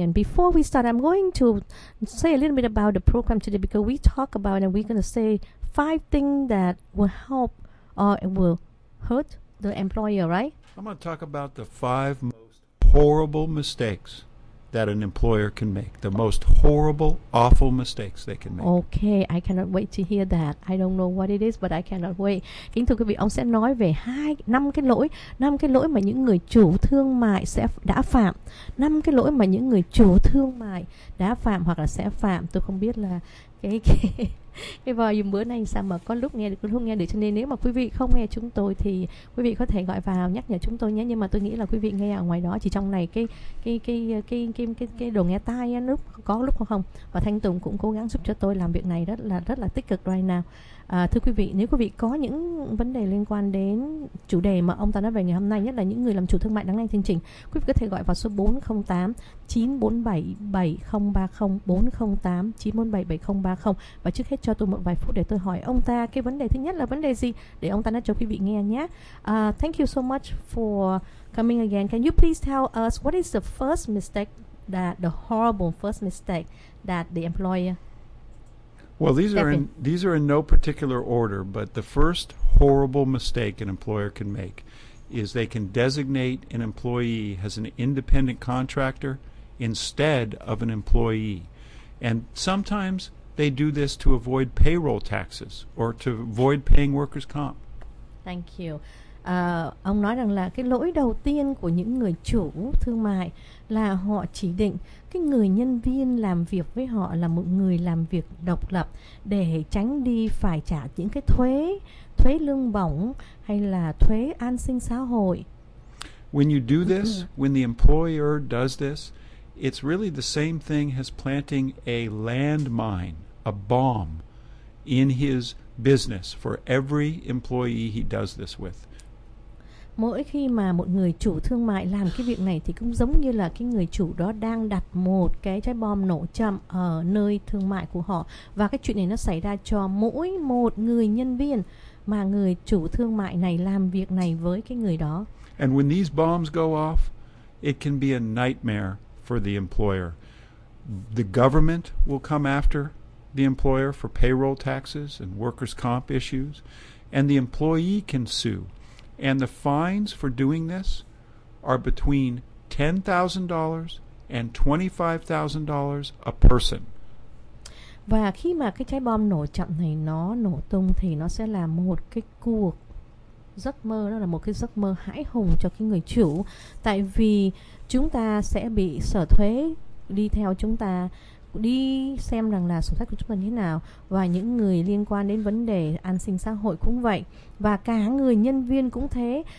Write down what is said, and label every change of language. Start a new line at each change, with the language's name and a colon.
English: And before we start, I'm going to say a little bit about the program today, because we talk about and we're going to say five things that will help or will hurt the employer, right? I'm going to talk about the five most horrible mistakes that an employer can make, the most horrible, awful mistakes they can make. Okay, I cannot wait to hear that. I don't know what it is, but I cannot wait.
Vietnamese: Kính thưa quý vị, ông sẽ nói về năm cái lỗi mà những người chủ thương mại đã phạm. Năm cái lỗi mà những người chủ thương mại đã phạm hoặc là sẽ phạm. Tôi không biết là cái volume bữa nay sao mà có lúc nghe được, có lúc nghe được. Cho nên nếu mà quý vị không nghe chúng tôi thì quý vị có thể gọi vào nhắc nhở chúng tôi nhé. Nhưng mà tôi nghĩ là quý vị nghe ở ngoài đó, chỉ trong này cái đồ nghe tai lúc có lúc không. Và Thanh Tùng cũng cố gắng giúp cho tôi làm việc này rất là tích cực
English: right now.
Vietnamese: Thưa quý vị, nếu quý vị có những vấn đề liên quan đến chủ đề mà ông ta nói về ngày hôm nay, nhất là những người làm chủ thương mại đang nghe chương trình, quý vị có thể gọi vào số 408-947-7030, 408-947-7030. Và trước hết cho tôi một vài phút để tôi hỏi ông ta cái vấn đề thứ nhất là vấn đề gì, để ông ta nói cho quý vị nghe nhé.
English: Thank you so much for coming again. Can you please tell us what is the first mistake, that the horrible first mistake that the employer... Well, these are in no particular order, but the first horrible mistake an employer can make is they can designate an employee as an independent contractor instead of an employee. And sometimes they do this to avoid payroll taxes or to avoid paying workers' comp. Thank you.
Vietnamese: Ông nói rằng là cái lỗi đầu tiên của những người chủ thương mại là họ chỉ định cái người nhân viên làm việc với họ là một người làm việc độc lập, để tránh đi phải trả những cái thuế lương bổng hay là thuế an sinh xã hội.
English: When you do this, when the employer does this, it's really the same thing as planting a landmine, a bomb in his business for every employee he does this with.
Vietnamese: Mỗi khi mà một người chủ thương mại làm cái việc này thì cũng giống như là cái người chủ đó đang đặt một cái trái bom nổ chậm ở nơi thương mại của họ. Và cái chuyện này nó xảy ra cho mỗi một người nhân viên mà người chủ thương mại này làm việc này với cái người đó.
English: And when these bombs go off, it can be a nightmare for the employer. The government will come after the employer for payroll taxes and workers' comp issues, and the employee can sue. And the fines for doing this are between $10,000 and $25,000 a person.
Vietnamese: Và khi mà cái trái bom nổ chậm này nó nổ tung thì nó sẽ là một cái cuộc giấc mơ, đó là một cái giấc mơ hãi hùng cho cái người chủ, tại vì chúng ta sẽ bị sở thuế đi theo chúng ta, đi xem rằng là sổ sách của chúng ta như thế nào, và những người liên quan đến vấn đề an sinh xã hội cũng vậy, và cả người nhân viên cũng thế.